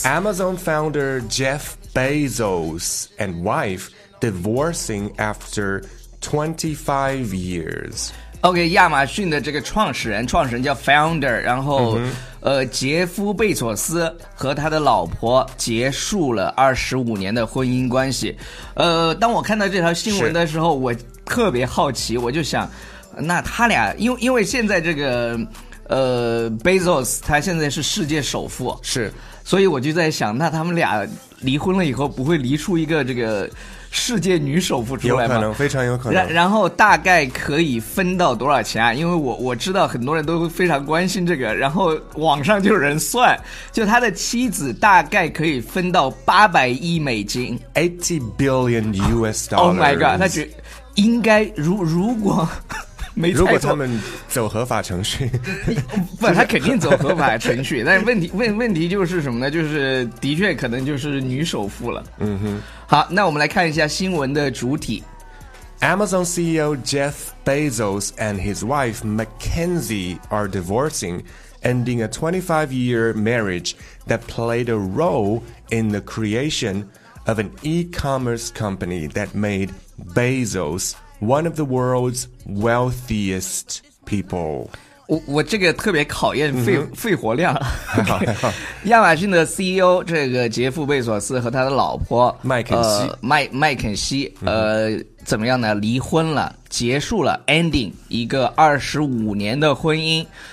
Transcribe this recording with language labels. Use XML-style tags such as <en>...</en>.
<en>Amazon founder Jeff Bezos and wife divorcing after 25 years.</en> <zh>OK， 亚马逊的这个创始人叫 founder， 然后、mm-hmm. 杰夫贝索斯和他的老婆结束了25年的婚姻关系。当我看到这条新闻的时候，我特别好奇，我就想，那他俩因为现在这个Bezos 他现在是世界首富，是，所以我就在想，那他们俩离婚了以后，不会离出一个这个世界女首富出来吗？有可能，非常有可能。然后大概可以分到多少钱啊？因为我知道很多人都非常关心这个，然后网上就有人算，就他的妻子大概可以分到800亿美金</zh> <en>$80 billion. Oh my god！</en> <zh>他觉得应该如果。没如果他们走合法程序，不，他肯定走合法程序。但是问题就是什么呢？就是的确可能就是女首富了。嗯哼。好，那我们来看一下新闻的主体。</zh> <en>Amazon CEO Jeff Bezos and his wife Mackenzie are divorcing, ending a 25-year marriage that played a role in the creation of an e-commerce company that made Bezos. One of the world's wealthiest people.</en> <zh>我这个特别考验肺活量。还好还好。亚马逊的 CEO 这个杰夫贝索斯和他的老婆麦肯锡、怎么样呢？离婚了，结束了 ending 一个25年的婚姻。</zh>